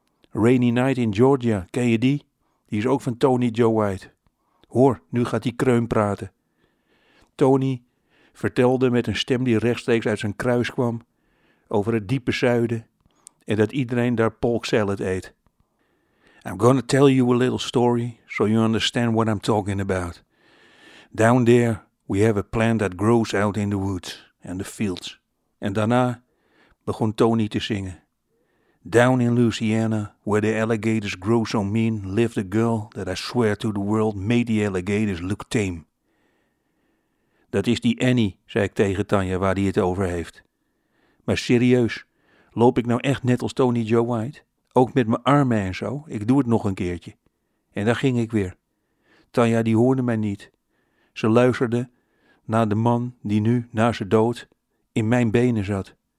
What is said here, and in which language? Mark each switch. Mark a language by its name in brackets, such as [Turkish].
[Dutch] Rainy Night in Georgia, ken je die? Die is ook van Tony Joe White. Hoor, nu gaat die kreun praten. Tony vertelde met een stem die rechtstreeks uit zijn kruis kwam over het diepe zuiden en dat iedereen daar pork salad eet. [English] I'm gonna tell you a little story so you understand what I'm talking about. Down there we have a plant that grows out in the woods and the fields. [Dutch] En daarna begon Tony te zingen. [English] Down in Louisiana, where the alligators grow so mean, lived a girl that I swear to the world made the alligators look tame. [Dutch] Dat is die Annie, zei ik tegen Tanja, waar die het over heeft. Maar serieus, loop ik nou echt net als Tony Joe White? Ook met mijn armen en zo, ik doe het nog een keertje. En daar ging ik weer. Tanja die hoorde mij niet. Ze luisterde naar de man die nu, na zijn dood, in mijn benen zat.